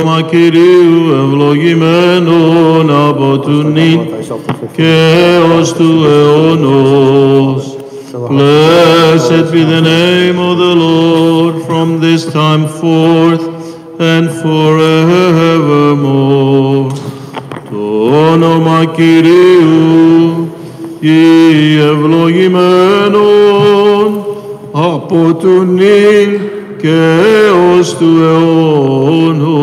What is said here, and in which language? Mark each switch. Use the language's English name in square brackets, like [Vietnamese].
[Greek] Κυρίου ευλογημένων από του νυν και ως του αιώνος. [English] Blessed be the name of the Lord from this time forth and forevermore. [Greek] Το όνομα Κυρίου ευλογημένων από του νυν και ως του αιώνος.